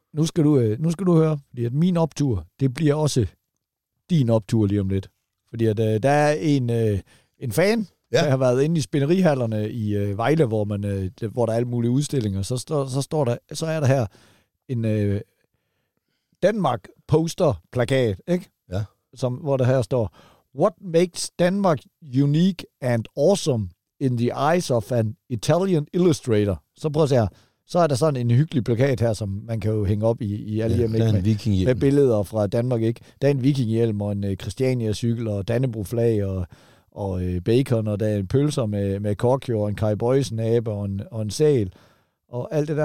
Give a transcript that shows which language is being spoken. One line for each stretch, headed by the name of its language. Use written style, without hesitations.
Danish: Nu skal du høre, fordi at min optur, det bliver også din optur lige om lidt. Fordi at der er en fan... Ja. Jeg har været inde i spinnerihallerne i Vejle, hvor man hvor der er alle mulige udstillinger. Så er der her en Danmark poster plakat, ikke? Ja. Som hvor der her står
English: What makes Denmark unique and awesome in the eyes of an Italian illustrator.
Danish: Så prøv at se her. Så er der sådan en hyggelig plakat her, som man kan jo hænge op i alle hjem, ikke? Med billeder fra Danmark, ikke? Der er en vikinghjelm og en Christiania cykel og Dannebrog flag og og bacon, og der er en pølser med kokke, og en kajbøjsnabe, og en sæl, og alt det der.